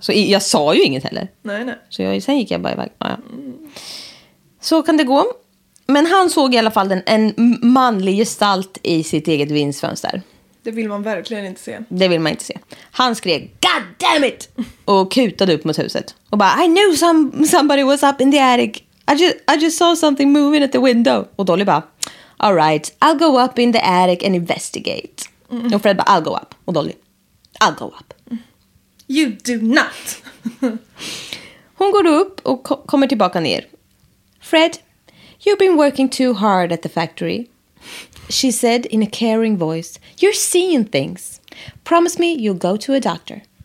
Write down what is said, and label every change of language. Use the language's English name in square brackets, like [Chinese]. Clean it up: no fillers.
[Swedish] Så jag sa ju inget heller. Nej, nej. Så sen gick jag bara iväg. Ja, ja. Så kan det gå. Men han såg i alla fall en manlig gestalt i sitt eget vindsfönster. Det vill man verkligen inte se. Det vill man inte se. Han skrek, [English] God damn it! [Swedish] Och kutade upp mot huset. Och bara, [English] I knew somebody was up in the attic. I just saw something moving at the window. [Swedish] Och Dolly bara, [English] all right, I'll go up in the attic and investigate. Mm. [Swedish] Och Fred bara, [English] I'll go up. [Swedish] Och Dolly, [English] I'll go up. You do not. [Swedish] Hon går upp och kommer tillbaka ner. [English] Fred, you've been working too hard at the factory. She said in a caring voice, you're seeing things. Promise me you'll go to a doctor.